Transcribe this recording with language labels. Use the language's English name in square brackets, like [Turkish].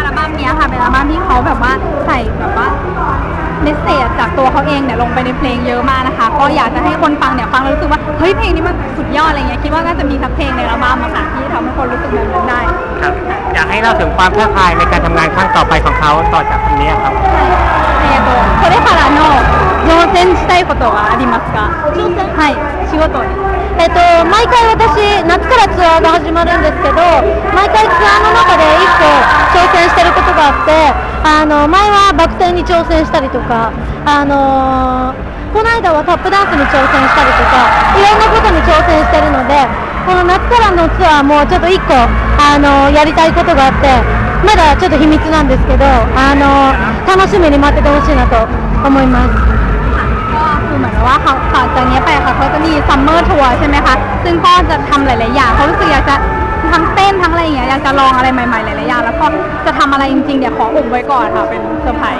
[Thai] เนี่ยค่ะเป็นอัลบั้มที่เขาแบบว่าใส่แบบว่าเมสเซจจากตัวเขาเองเนี่ยลงไปในเพลงเยอะมากนะคะก็อยากจะให้คนฟังเนี่ยฟังแล้วรู้สึกว่าเฮ้ยเพลงนี้มันสุดยอดอะไรเงี้ยคิดว่าน่าจะมีสักเพลงในอัลบั้มอะค่ะที่ทำให้คนรู้สึกแบบนั้นได้ครับอยากให้เล่าถึงความท้าทายในการทำงานครั้งต่อไปของเขาต่อจากนี้ครับ [Japanese] これからの挑戦したいことはありますか挑戦はい仕事に毎回私夏からツアーが始まるんですけど毎回ツアーの中で一個挑戦してることがあって前はバク転に挑戦したりとかこの間はタップダンスに挑戦したりとかいろんなことに挑戦してるのでこの夏からのツアーもちょっと一個やりたいことがあってまだちょっと秘密なんですけど楽しみに待っててほしいなと思います [Thai] ว่าเขาต่อจากนี้ไปค่ะเขาจะมีซัมเมอร์ทัวร์ใช่ไหมคะซึ่งก็จะทำหลายๆอย่างเขารู้สึกอยากจะทั้งเต้นทั้งอะไรอย่างเงี้ยอยากจะลองอะไรใหม่ๆหลายๆอย่างแล้วก็จะทำอะไรจริงๆเดี๋ยวขออุ่มไว้ก่อนค่ะเป็นเซอร์ไพรส